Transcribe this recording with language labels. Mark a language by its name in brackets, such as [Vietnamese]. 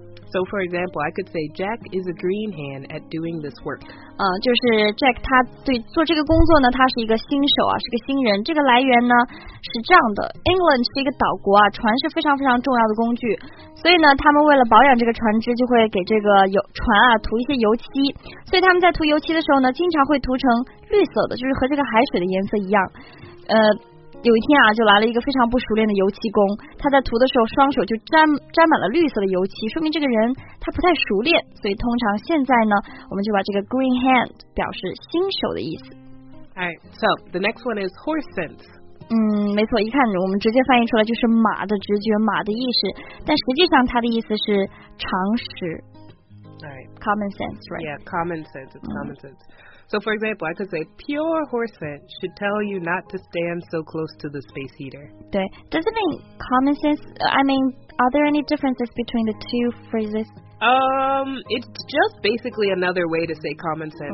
[English] So for example, I could say Jack is a green hand at doing this work. [Chinese] 就是 Jack 他对做这个工作呢，他是一个新手啊，是个新人。这个来源呢是这样的 ，England 是一个岛国啊，船是非常非常重要的工具，所以呢，他们为了保养这个船只，就会给这个油船啊涂一些油漆。所以他们在涂油漆的时候呢，经常会涂成绿色的，就是和这个海水的颜色一样。有一天啊，就来了一个非常不熟练的油漆工，他在涂的时候双手就沾满了绿色的油漆，说明这个人他不太熟练，所以通常现在呢，我们就把这个 green hand 表示新手的意思。 [English] Alright, so the next one is horse sense. [Chinese] 没错，一看我们直接翻译出来就是马的直觉，马的意识，但实际上它的意思是常识。 [English] Alright, common sense, right? Yeah, common sense, it's common sense. So for example, I could say pure horse sense should tell you not to stand so close to the space heater. 对 does it mean common sense? I mean, are there any differences between the two phrases? It's just basically another way to say common sense.